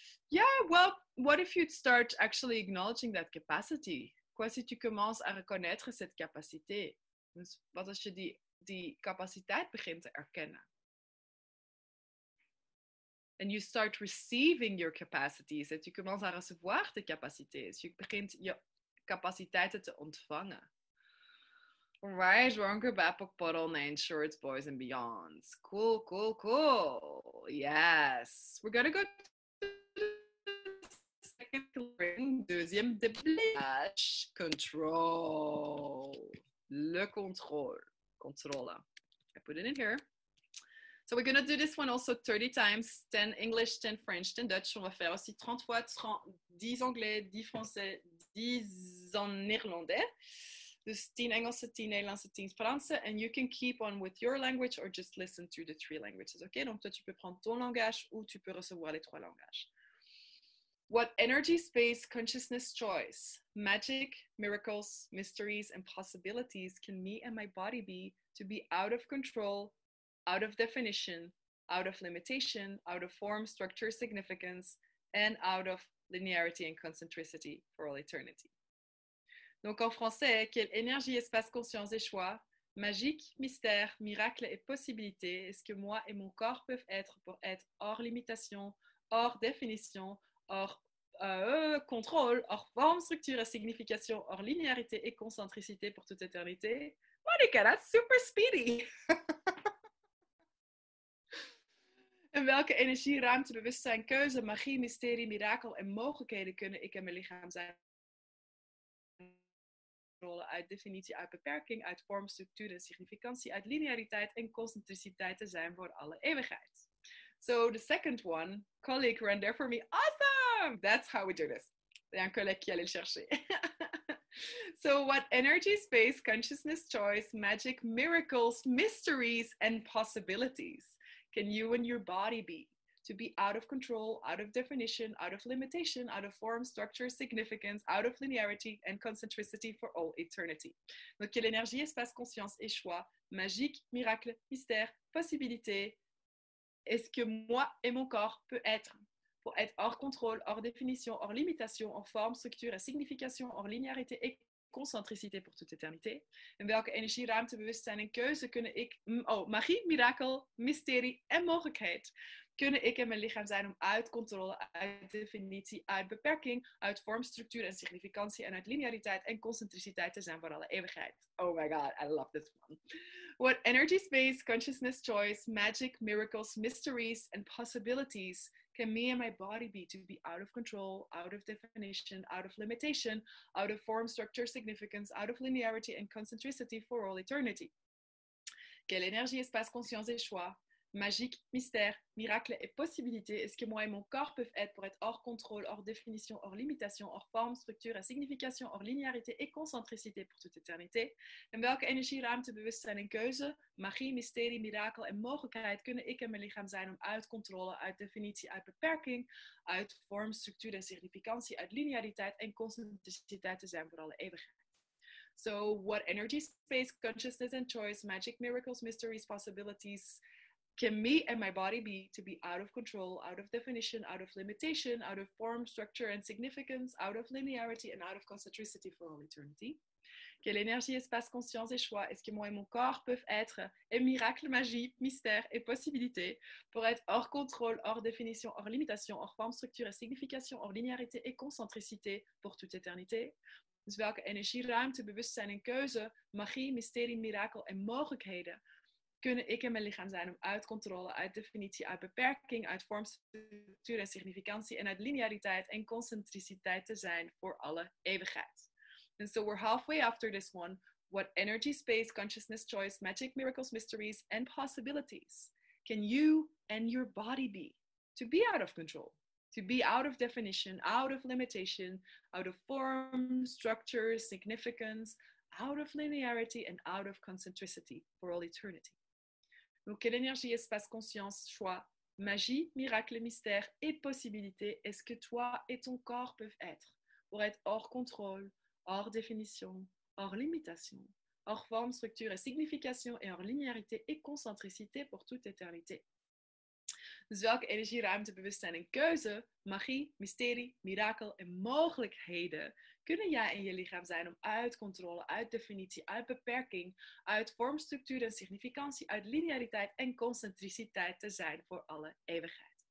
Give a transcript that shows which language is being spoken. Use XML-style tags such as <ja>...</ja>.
<en>Yeah, well, what if you'd start actually acknowledging that capacity?</en> <fr>Quoi si tu commences à reconnaître cette capacité?</fr> <nl>Dus wat als je die capaciteit begint te erkennen?</nl> <en>And you start receiving your capacities.</en> <fr>Et tu commences à recevoir tes capacités.</fr> <nl>Tu begint je capaciteiten te ontvangen. Rise, Ronker, Bapok, Bottle, Nine Shorts, Boys and Beyonds.</nl> <en>Cool, cool, cool. Yes. We're gonna go to the second ring.</en> <fr>Deuxième déblage. Control. Le contrôle.</fr> <en>Controle. I put it in here. So we're going to do this one also 30 times, 10 English, 10 French, 10 Dutch.</en> <fr>On va faire aussi 30 fois, 10 anglais, 10 français, 10 en néerlandais.</fr> <nl>Dus 10 Engelse, 10 Nederlandse, 10 Franse.</nl> <en>And you can keep on with your language or just listen to the three languages, okay?</en> <fr>Donc toi, tu peux prendre ton langage ou tu peux recevoir les trois langages.</fr> <en>What energy, space, consciousness, choice, magic, miracles, mysteries, and possibilities can me and my body be to be out of control, out of definition, out of limitation, out of form, structure, significance, and out of linearity and concentricity for all eternity.</en> <fr>Donc en français, quelle énergie, espace, conscience et choix, magique, mystère, miracle et possibilité, est-ce que moi et mon corps peuvent être pour être hors limitation, hors définition, hors contrôle, hors forme, structure et signification, hors linéarité et concentricité pour toute éternité?</fr> <en>Monica, that's super speedy!</en> <nl>En welke energie, ruimte, bewustzijn, keuze, magie, mysterie, mirakel en mogelijkheden kunnen ik en mijn lichaam zijn? Rollen uit definitie, uit beperking, uit vorm, structuur en significantie, uit lineariteit en concentriciteit te zijn voor alle eeuwigheid.</nl> <en>So, the second one, colleague, run there for me. Awesome! That's how we do this.</en> <fr>Il y a un collègue qui allait le chercher.</fr> <en>So, what energy, space, consciousness, choice, magic, miracles, mysteries and possibilities can you and your body be to be out of control, out of definition, out of limitation, out of form, structure, significance, out of linearity and concentricity for all eternity?</en> <fr>Donc, quelle énergie, espace, conscience et choix, magique, miracle, mystère, possibilité, est-ce que moi et mon corps peut être pour être hors contrôle, hors définition, hors limitation, hors forme, structure et signification, hors linearité et concentricité pour toute éternité?</fr> <nl>En welke energie, ruimte, bewustzijn en keuze kunnen ik, magie, mirakel, mysterie en mogelijkheid kunnen ik en mijn lichaam zijn om uit controle, uit definitie, uit beperking, uit vorm, structuur en significantie en uit lineariteit en concentriciteit te zijn voor alle eeuwigheid.</nl> <en>Oh my god, I love this one. What energy, space, consciousness, choice, magic, miracles, mysteries and possibilities can me and my body be to be out of control, out of definition, out of limitation, out of form, structure, significance, out of linearity and concentricity for all eternity?</en> <fr>Quelle énergie, espace, conscience et choix, magique, mystère, miracle et possibilité est-ce que moi et mon corps peuvent être pour être hors contrôle, hors définition, hors limitation, hors forme, structure et signification, hors linéarité et concentricité pour toute éternité?</fr> <nl>En welke energie, ruimte, bewustzijn en keuze, magie, mysterie, miracle en mogelijkheid kunnen ik en mijn lichaam zijn om uit controle, uit definitie, uit beperking, uit vorm, structuur en significantie, uit lineariteit en concentriciteit te zijn voor alle eeuwigheid?</nl> <en>So, what energy, space, consciousness and choice, magic, miracles, mysteries, possibilities can me and my body be to be out of control, out of definition, out of limitation, out of form, structure and significance, out of linearity and out of concentricity for all eternity?</en> <fr>Quelle énergie, espace, conscience et choix est-ce que moi et mon corps peuvent être et miracle, magie, mystère et possibilité pour être hors contrôle, hors définition, hors limitation, hors forme, structure et signification, hors linearité et concentricité pour toute éternité?</fr> <nl>Dus welke energie, ruimte, bewustzijn en keuze, magie, mysterie, mirakel en mogelijkheden kunnen ik en mijn lichaam zijn om uit controle, uit definitie, uit beperking, uit vorm, structuur en significantie en uit lineariteit en concentriciteit te zijn voor alle eeuwigheid?</nl> <en>And so we're halfway after this one. What energy, space, consciousness, choice, magic, miracles, mysteries and possibilities can you and your body be to be out of control? To be out of definition, out of limitation, out of form, structure, significance, out of linearity and out of concentricity for all eternity.</en> <fr>Donc, quelle énergie, espace, conscience, choix, magie, miracle, mystère et possibilité est-ce que toi et ton corps peuvent être pour être hors contrôle, hors définition, hors limitation, hors form, structure et signification et hors linearité et concentricité pour toute éternité?</fr> <nl>Dus welke energie, ruimte, bewustzijn en keuze, magie, mysterie, mirakel en mogelijkheden kunnen jij en je lichaam zijn om uit controle, uit definitie, uit beperking, uit vorm, structuur en significantie, uit lineariteit en concentriciteit te zijn voor alle eeuwigheid?</nl>